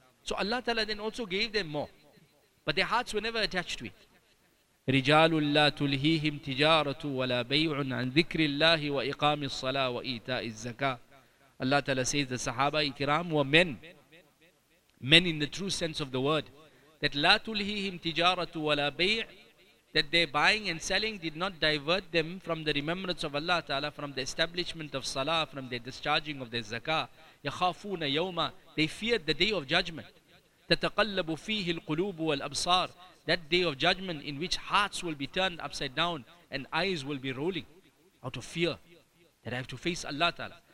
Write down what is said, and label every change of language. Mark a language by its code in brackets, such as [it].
[en] So Allah Ta'ala then also gave them more. But their hearts were never attached to it. [ar] رِجَالٌ لَا تُلْهِيهِمْ تِجَارَةُ وَلَا بَيْعٌ عَنْ ذِكْرِ اللَّهِ وَإِقَامِ الصَّلَاةِ وَإِيْتَاءِ الزَّكَاةِ. [en] Allah Ta'ala says the Sahaba Ikiram were men. Men in the true sense of the word. [ar] That لَا تُلْهِيهِمْ تِجَارَةُ وَلَا بَيْعٌ. [en] That their buying and selling did not divert them from the remembrance of Allah Ta'ala, from the establishment of salah, from the discharging of their zakah. [ar] يَخَافُونَ يَوْمًا. [en] They feared the day of judgment. [ar] تَتَقَلَّبُ فِيهِ الْقُلُوبُ وَالْأَبْصَارِ. [en] That day of judgment in which hearts will be turned upside down and eyes will be rolling out of fear that I have to face Allah Ta'ala.